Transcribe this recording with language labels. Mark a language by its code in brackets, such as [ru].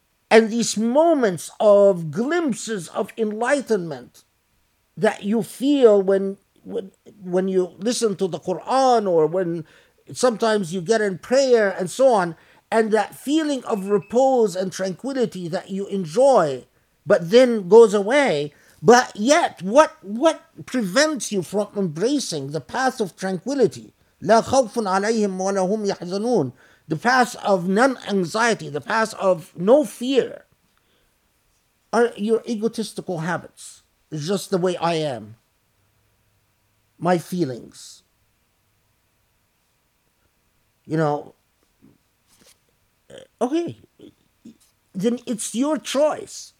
[en] And these moments of glimpses of enlightenment that you feel when you listen to the Quran, or when sometimes you get in prayer and so on, and that feeling of repose and tranquility that you enjoy, but then goes away. But yet, what prevents you from embracing the path of tranquility? [ar] لا خوف عليهم ولا هم يحزنون. [en] The path of non-anxiety, the path of no fear, are your egotistical habits. It's just the way I am. My feelings. You know, okay, then it's your choice.